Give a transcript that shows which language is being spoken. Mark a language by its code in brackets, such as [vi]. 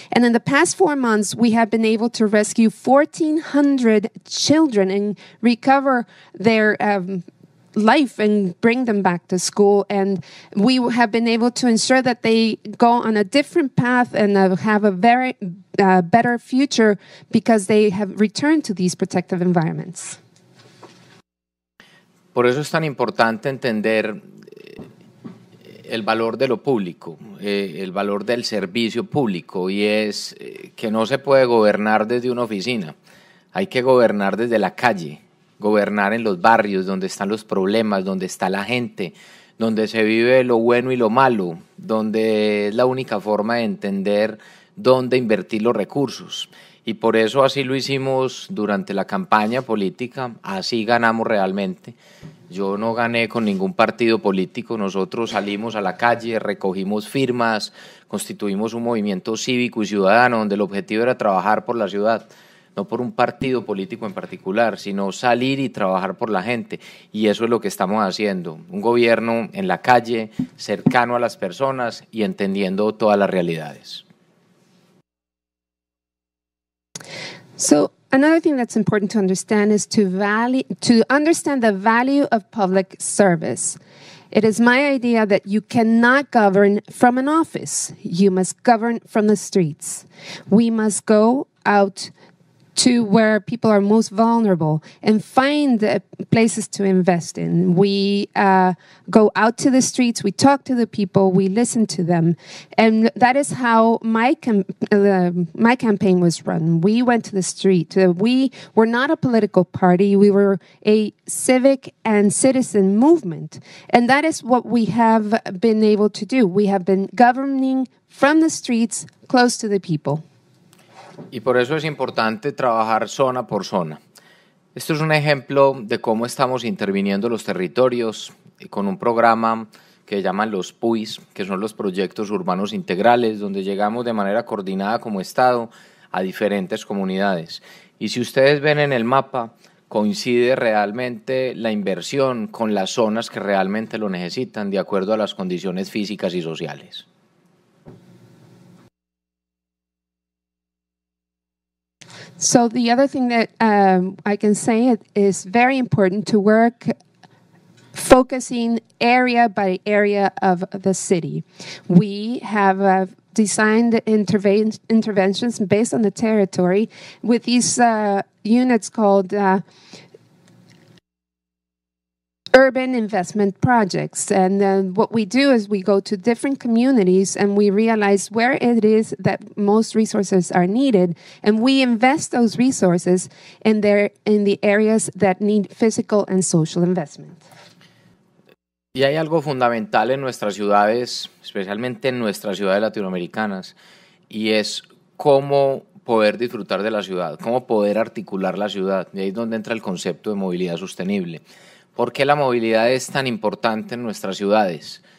[en] And in the past 4 months, we have been able to rescue 1,400 children and recover their life and bring them back to school. And we have been able to ensure that they go on a different path and have a very better future because they have returned to these protective environments. [es] Por eso es tan importante entender el valor de lo público, el valor del servicio público, y es que no se puede gobernar desde una oficina, hay que gobernar desde la calle. Gobernar en los barrios, donde están los problemas, donde está la gente, donde se vive lo bueno y lo malo, donde es la única forma de entender dónde invertir los recursos. Y por eso así lo hicimos durante la campaña política, así ganamos realmente. Yo no gané con ningún partido político, nosotros salimos a la calle, recogimos firmas, constituimos un movimiento cívico y ciudadano donde el objetivo era trabajar por la ciudad. No por un partido político en particular, sino salir y trabajar por la gente. Y eso es lo que estamos haciendo. Un gobierno en la calle, cercano a las personas y entendiendo todas las realidades. [en] So, another thing that's important to understand is to understand the value of public service. It is my idea that you cannot govern from an office. You must govern from the streets. We must go out to where people are most vulnerable and find places to invest in. We go out to the streets, we talk to the people, we listen to them. And that is how my campaign was run. We went to the street. We were not a political party. We were a civic and citizen movement. And that is what we have been able to do. We have been governing from the streets, close to the people. [es] Y por eso es importante trabajar zona por zona. Esto es un ejemplo de cómo estamos interviniendo los territorios con un programa que llaman los PUIs, que son los Proyectos Urbanos Integrales, donde llegamos de manera coordinada como Estado a diferentes comunidades. Y si ustedes ven en el mapa, coincide realmente la inversión con las zonas que realmente lo necesitan de acuerdo a las condiciones físicas y sociales. [en] So the other thing that I can say it is very important to work focusing area by area of the city. We have designed interventions based on the territory with these units called urban investment projects. And then what we do is we go to different communities and we realize where it is that most resources are needed. And we invest those resources in the areas that need physical and social investment. [es] Y hay algo fundamental en nuestras ciudades, especialmente en nuestras ciudades latinoamericanas, y es cómo poder disfrutar de la ciudad, cómo poder articular la ciudad. Y ahí es donde entra el concepto de movilidad sostenible. ¿Por qué la movilidad es tan importante en nuestras ciudades?